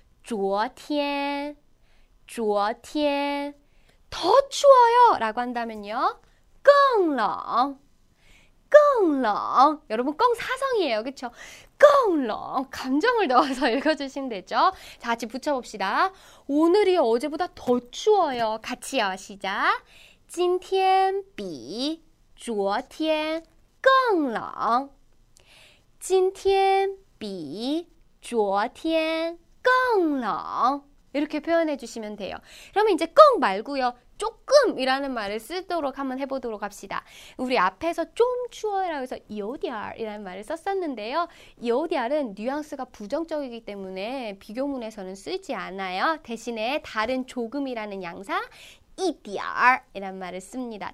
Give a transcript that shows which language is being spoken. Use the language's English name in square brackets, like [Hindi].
[Korean] 昨天 더 추워요! 라고 한다면요? [Chinese] 更冷 更冷 [Korean] 여러분 껑 사성이에요. 그쵸? 更冷 감정을 넣어서 읽어주시면 되죠. 자, 같이 붙여봅시다. 오늘이 어제보다 더 추워요. 같이요. 시작. [Chinese] 今天比昨天更冷今天比昨天更冷 [Korean] 이렇게 표현해 주시면 돼요. 그러면 이제 껑 말고요, 조금이라는 말을 쓰도록 한번 해보도록 합시다. 우리 앞에서 좀 추워요라고 해서 요디알이라는 말을 썼었는데요. 요디알은 뉘앙스가 부정적이기 때문에 비교문에서는 쓰지 않아요. 대신에 다른 조금이라는 양사 이디알이라는 말을 씁니다.